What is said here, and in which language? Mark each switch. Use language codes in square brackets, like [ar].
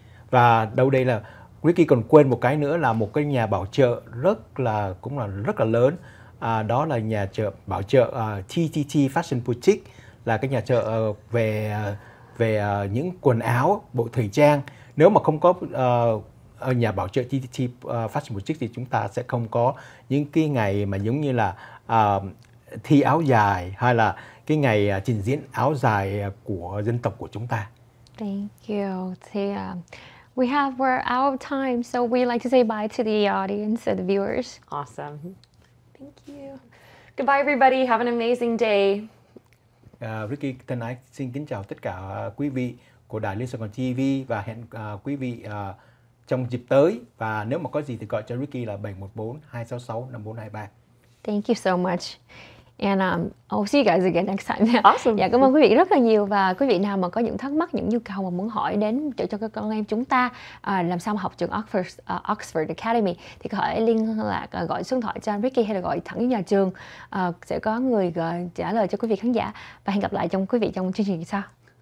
[vi] Và đâu đây là Ricky còn quên một cái nữa là một cái nhà bảo trợ rất là lớn, đó là nhà trợ bảo trợ TTT Fashion Boutique, là cái nhà trợ về những quần áo, bộ thời trang. Nếu mà không có nhà bảo trợ TTT Fashion Boutique thì chúng ta sẽ không có những cái ngày mà giống như là thi áo dài hay là cái ngày trình diễn áo dài của dân tộc của chúng ta. [en] Thank you. We're out of time, so we like to say bye to the audience and the viewers. Awesome. Thank you. Goodbye, everybody. Have an amazing day. [vi] Ricky thân ái xin kính chào tất cả quý vị của Đài Little Saigon TV và hẹn quý vị trong dịp tới. Và nếu mà có gì thì gọi cho Ricky là 714-266-5423. [en] Thank you so much. And I'll see you guys again next time. Awesome. [vi] Dạ, cảm ơn quý vị rất là nhiều. Và quý vị nào mà có những thắc mắc, những nhu cầu mà muốn hỏi đến cho các con em chúng ta làm sao mà học trường Oxford Academy thì có thể liên lạc, gọi số điện thoại cho Ricky hay là gọi thẳng nhà trường. Sẽ có người trả lời cho quý vị khán giả. Và hẹn gặp lại trong quý vị trong chương trình sau.